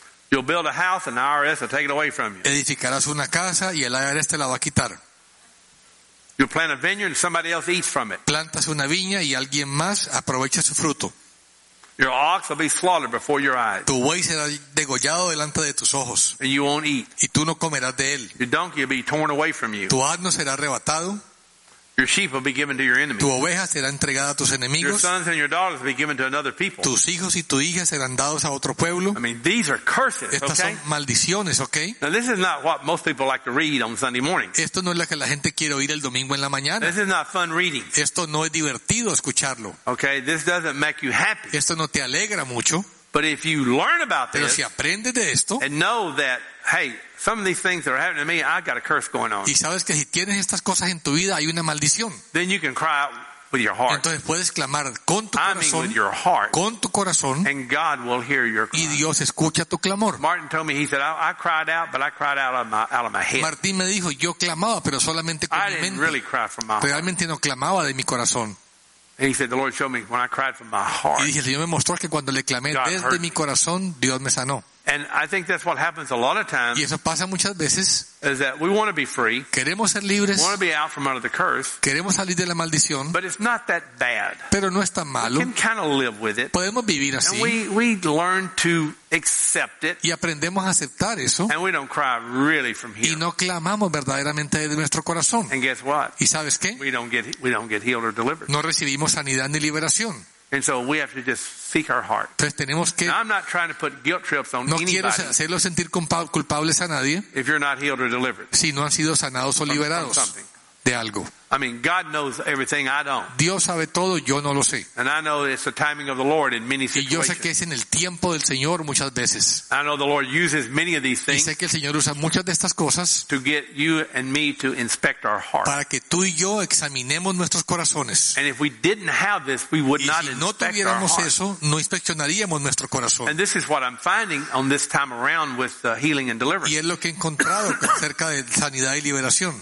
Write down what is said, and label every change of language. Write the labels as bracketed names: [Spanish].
[English] You'll build a house and the IRS will take it away from you. [Spanish] Edificarás una casa y el IRS te la va a quitar. [English] You plant a vineyard and somebody else eats from it. [Spanish] Plantas una viña y alguien más aprovecha su fruto. [English] Your ox will be slaughtered before your eyes. [Spanish] Tu buey será degollado delante de tus ojos. [English] And you won't eat. [Spanish] Y tú no comerás de él. [English] Your donkey will be torn away from you. [Spanish] Tu asno será arrebatado. [English] Your sheep will be given to your enemies. [Spanish] Tu oveja será entregada a tus enemigos. [English] Your sons and your daughters will be given to another people. [Spanish] Tus hijos y tus hijas serán dados a otro pueblo. [English] I mean, these are curses, okay? [Spanish] Estas son maldiciones, okay? [English] Now, this is not what most people like to read on Sunday mornings. [Spanish] Esto no es lo que la gente quiere oír el domingo en la mañana. [English] This is not fun reading. [Spanish] Esto no es divertido escucharlo. [English] Okay, this doesn't make you happy. [Spanish] Esto no te alegra mucho. [English] But if you learn about this, [Spanish] pero si aprendes de esto, [English] and know that, hey, some of these things that are happening to me, I've got a curse going on. [Spanish] Y sabes que si tienes estas cosas en tu vida, hay una maldición. [English] Then you can cry out with your heart. [Spanish] Entonces puedes clamar con tu corazón. [English] I mean with your heart. [Spanish] Con tu corazón. [English] And God will hear your cry. [Spanish] Y Dios escucha tu clamor. [English] Martin told me, he said, I cried out, but I cried out of my head. [Spanish] Martín me dijo, yo clamaba, pero solamente con mi mente. [English] I didn't really cry from my heart. [Spanish] Realmente no clamaba de mi corazón. [English] He said, "The Lord showed me when I cried from my heart." [Spanish] Y dije, el Señor me mostró que cuando le clamé desde mi corazón, Dios me sanó. [English] And I think that's what happens a lot of times. [Spanish] Y eso pasa muchas veces. [English] Is that we want to be free? [Spanish] Queremos ser libres. [English] We want to be out from under the curse. [Spanish] Queremos salir de la maldición. [English] But it's not that bad. [Spanish] Pero no es tan malo. [English] We can kind of live with it. [Spanish] Podemos vivir así. [English] And we learn to accept it. [Spanish] Y aprendemos a aceptar eso. [English] And we don't cry really from here. [Spanish] Y no clamamos verdaderamente de nuestro corazón. [English] And guess what? [Spanish] ¿Y sabes qué? [English] We don't get healed or delivered. [Spanish] No recibimos sanidad ni liberación. [English] And so we have to just seek our heart. [Spanish] Entonces tenemos que. [English] Now, I'm not trying to put guilt trips on anybody. [Spanish] No quiero hacerlo sentir culpables a nadie. [English] If you're not healed or delivered. [Spanish] Si no han sido sanados o liberados de algo. [English] I mean, God knows everything I don't. [Spanish] Dios sabe todo, yo no lo sé. [English] And I know it's the timing of the Lord in many situations. [Spanish] Y yo sé que es en el tiempo del Señor muchas veces. [English] I know the Lord uses many of these things. [Spanish] Y sé que el Señor usa muchas de estas cosas. [English] To get you and me to inspect our heart. [Spanish] Para que tú y yo examinemos nuestros corazones. [English] And if we didn't have this, we would not inspect our heart. [Spanish] Y si no tuviéramos eso, no inspeccionaríamos nuestro corazón. [English] And this is what I'm finding on this time around with the healing and deliverance. [Spanish] Y es lo que he encontrado acerca de sanidad y liberación.